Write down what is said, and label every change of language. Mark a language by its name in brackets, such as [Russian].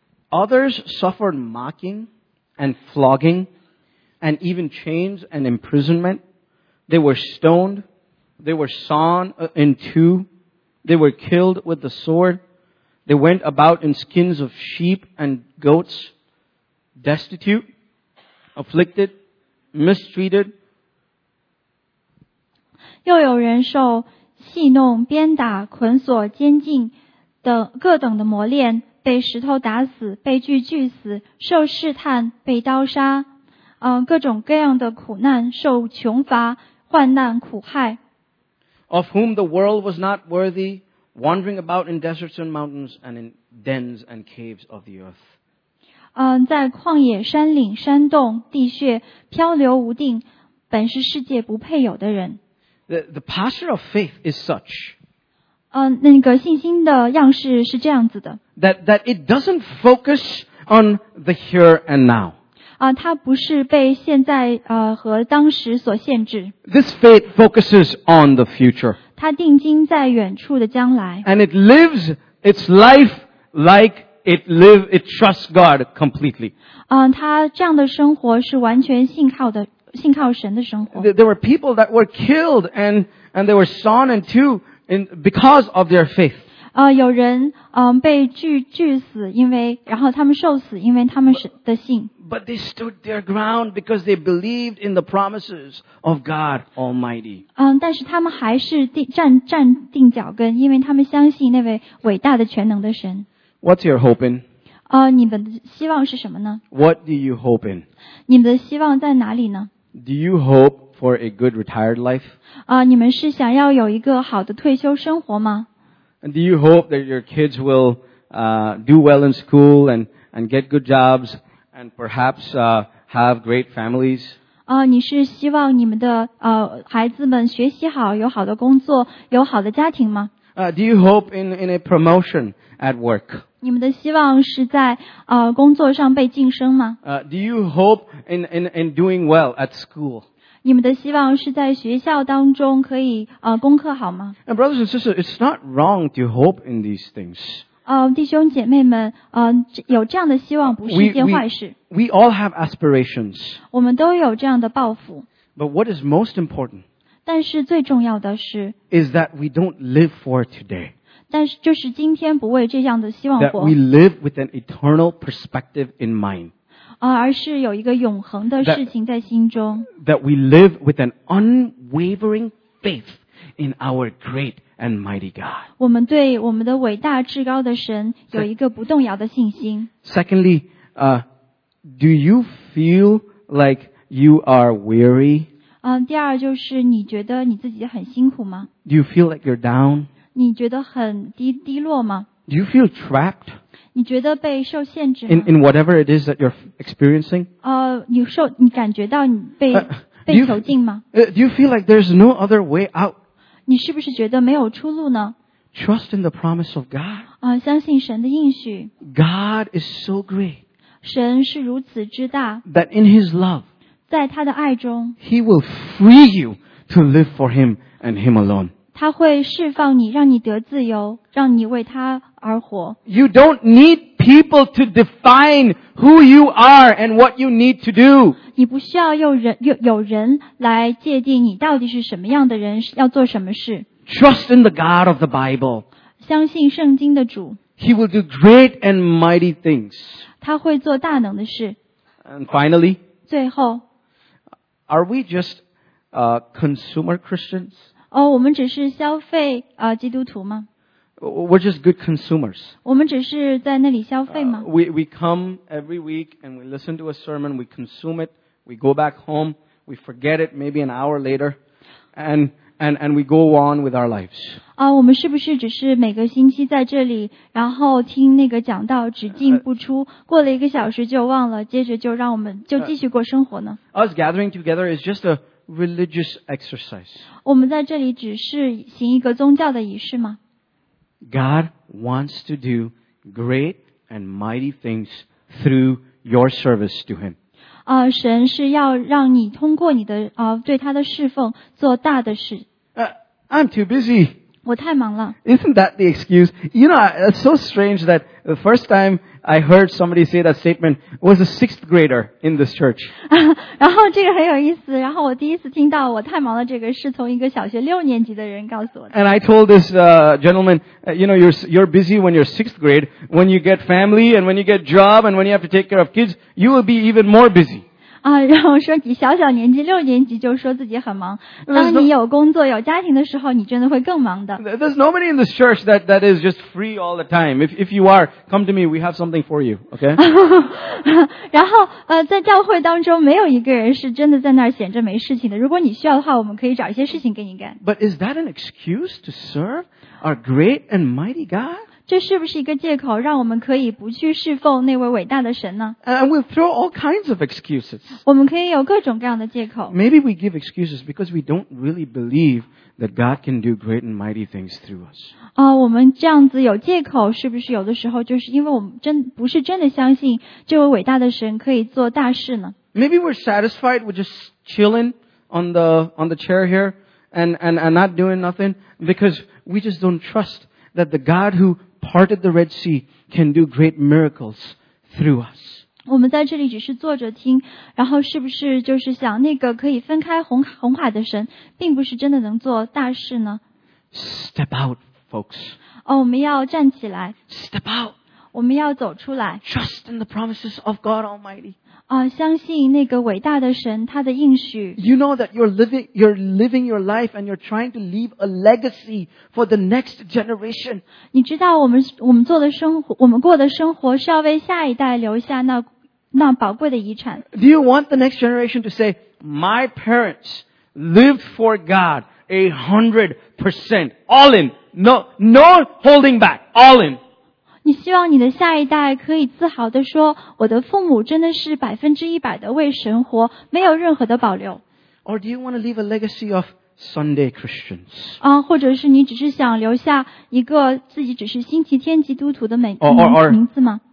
[English] Others suffered mocking and flogging and even chains and imprisonment. They were stoned. They were sawn in two. They were killed with the sword. They went about in skins of sheep and goats, destitute, afflicted, mistreated, [Chinese] 又有人受戏弄、鞭打、捆锁、监禁，各等的磨练，被石头打死，被锯锯死，受试探，被刀杀，各种各样的苦难，受穷乏，患难苦害。 [English] Of whom the world was not worthy, wandering about in deserts and mountains and in dens and caves of the earth. [Chinese] 在旷野、山岭、山洞、地穴漂流无定，本是世界不配有的人。 [English] The posture of faith is such. [Chinese] 那个信心的样式是这样子的。 [English] That it doesn't focus on the here and now. [Chinese] 它不是被现在和当时所限制。 [English] This faith focuses on the future. [Chinese] 它定睛在远处的将来。 [English] And it lives its life like it trusts God completely. [Chinese] 它这样的生活是完全信靠的。信靠神的生活。 [English] There were people that were killed and they were sawn in two because of their faith. [Chinese] 有人被锯死，然后他们受死，因为他们的信。 [English] But they stood their ground because they believed in the promises of God Almighty. [Chinese] 但是他们还是站定脚跟，因为他们相信那位伟大的全能的神。 [English] What's your hope in? [Chinese] 你们的希望是什么呢 [English] ？What do you hope in？ [Chinese] 你们的希望在哪里呢 [English] ？Do you hope for a good retired life？ [Chinese] 你们是想要有一个好的退休生活吗 [English] ？And do you hope that your kids will do well in school and get good jobs and perhaps have great families？ [Chinese] 你是希望你们的孩子们学习好，有好的工作，有好的家庭吗？ [English] Do you hope in a promotion at work? [Chinese] 你们的希望是在工作上被晋升吗？ [English] Do you hope in doing well at school? [Chinese] 你们的希望是在学校当中可以功课好吗？ [English] And brothers and sisters, it's not wrong to hope in these things. [Chinese] 弟兄姐妹们，有这样的希望不是一件坏事。 [English] We all have aspirations. [Chinese] 我们都有这样的抱负。 [English] But what is most important? [Chinese] 但是最重要的是 [English] is that we don't live for today. [Chinese] 但是就是今天不为这样的希望活。 [English] That we live with an eternal perspective in mind. [Chinese] 而是有一个永恒的事情在心中。 [English] That we live with an unwavering faith in our great and mighty God. [Chinese] 我们对我们的伟大至高的神有一个不动摇的信心。 [English] Secondly, do you feel like you are weary? [Chinese] 第二就是你觉得你自己很辛苦吗 [English] ？Do you feel like you're down？ [Chinese] 你觉得很低落吗 [English] ？Do you feel trapped？ [Chinese] 你觉得被受限制吗 [English] ？In whatever it is that you're experiencing？ [Chinese] 你感觉到你被囚禁吗 [English] ？Do you feel like there's no other way out？ [Chinese] 你是不是觉得没有出路呢 [English] ？Trust in the promise of God。 [Chinese] 相信神的应许。 [English] God is so great。 [Chinese] 神是如此之大。 [English] That in His love。 [Chinese] 在他的爱中 [English] He will free you to live for him and him alone. [Chinese] 他会释放你让你得自由让你为他而活 [English] You don't need people to define who you are and what you need to do. [Chinese] 你不需要有人来界定你到底是什么样的人要做什么事 [English] Trust in the God of the Bible. [Chinese] 相信圣经的主 [English] He will do great and mighty things. [Chinese] 他会做大能的事 [English] And finally, [Chinese] 最后 [English] Are we just consumer Christians? [Chinese] 我们只是消费基督徒吗 [English] ？We're just good consumers. [Chinese] 我们只是在那里消费吗 [English] ？We come every week and we listen to a sermon. We consume it. We go back home. We forget it maybe an hour later, and we go on with our lives. [Chinese] 我们是不是只是每个星期在这里，然后听那个讲道，只进不出，过了一个小时就忘了，接着就让我们就继续过生活呢 [English] ？Us gathering together is just a religious exercise. [Chinese] 我们在这里只是行一个宗教的仪式吗 [English] ？God wants to do great and mighty things through your service to Him. [Chinese] 神是要让你通过你的对他的侍奉做大的事。 [English] I'm too busy. [Chinese] 我太忙了。 [English] Isn't that the excuse? You know, it's so strange that the first time I heard somebody say that statement was a sixth grader in this church. [Chinese] 然后这个很有意思。然后我第一次听到我太忙了这个是从一个小学六年级的人告诉我的。 [English] And I told this gentleman, you know, you're busy when you're sixth grade. When you get family and when you get job and when you have to take care of kids, you will be even more busy. [Chinese] 然后说比小小年纪六年级就说自己很忙。当你有工作有家庭的时候你真的会更忙的。 [English] There's nobody in this church that is just free all the time. If you are, come to me, we have something for you, okay? [Chinese] 然后在教会当中没有一个人是真的在那儿闲着没事情的。如果你需要的话我们可以找一些事情给你干。 [English] But is that an excuse to serve our great and mighty God? [Chinese] 这是不是一个借口让我们可以不去侍奉那位伟大的神呢 [English] ?And we'll throw all kinds of excuses. [Chinese] 我们可以有各种各样的借口。 [English] Maybe we give excuses because we don't really believe that God can do great and mighty things through us. [Chinese] 我们这样子有借口是不是有的时候就是因为我们不是真的相信这位伟大的神可以做大事呢 [English] ?Maybe we're satisfied with just chilling on the chair here and not doing nothing because we just don't trust that the God whoparted the Red Sea can do great miracles through us. [Chinese] 我们在这里只是坐着听然后是不是就是想那个可以分开红海的神并不是真的能做大事呢 [English] Step out, folks. [Chinese] 我们要站起来 [English] Step out. [Chinese] 我们要走出来 [English] Trust in the promises of God Almighty. [Chinese] 相信那个伟大的神他的应许 [English] You know that you're living your life and you're trying to leave a legacy for the next generation. [Chinese] 你知道我们做的生活我们过的生活是要为下一代留下那宝贵的遗产 [English] Do you want the next generation to say, my parents lived for God 100%, all in, no holding back, all in. [Chinese] 你希望你的下一代可以自豪地说我的父母真的是100%的为神活没有任何的保留 [English] Or do you want to leave a legacy of Sunday Christians? [Chinese] 或者是你只是想留下一个自己只是星期天基督徒的名字吗